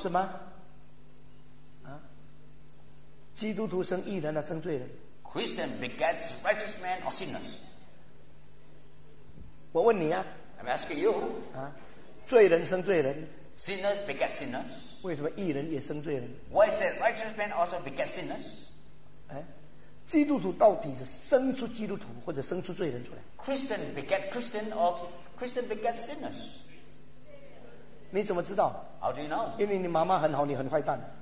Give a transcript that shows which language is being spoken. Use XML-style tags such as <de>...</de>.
<zh>是吗？啊，基督徒生义人啊，生罪人</zh> <en>？Christian begets righteous man or sinners？</en> <zh>我问你啊</zh> <en>，I'm asking you</en> <zh>啊，罪人生罪人</zh> <en>，sinners beget sinners。</en> <zh>为什么义人也生罪人</zh> <en>？Why is it righteous man also beget sinners？哎。</en> <zh>基督徒到底是生出基督徒或者生出罪人出来</zh> <en>？Christian beget Christian or Christian beget sinners？</en> <zh>你怎么知道</zh> <en>？How do you know？</en> <zh>因为你妈妈很好，你很坏蛋。</zh>